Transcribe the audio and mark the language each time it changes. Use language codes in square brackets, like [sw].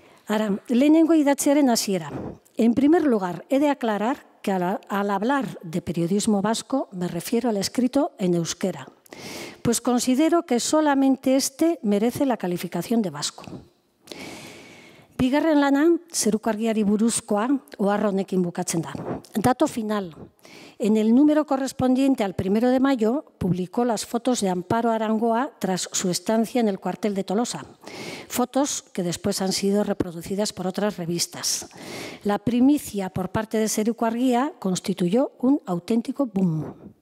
[es] Ahora, [eu] lehenengo idatziaren hasiera. [es] En primer lugar, he de aclarar que al hablar de periodismo vasco me refiero al escrito en euskera, pues considero que solamente este merece la calificación de vasco. [eu] Bigarren lana, Zeruko Argiari buruzkoa, ohar honekin bukatzen da. [es] Dato final, en el número correspondiente al 1 de mayo, publicó las fotos de Amparo Arangoa tras su estancia en el cuartel de Tolosa, fotos que después han sido reproducidas por otras revistas. La primicia por parte de Zeruko Argia constituyó un auténtico boom.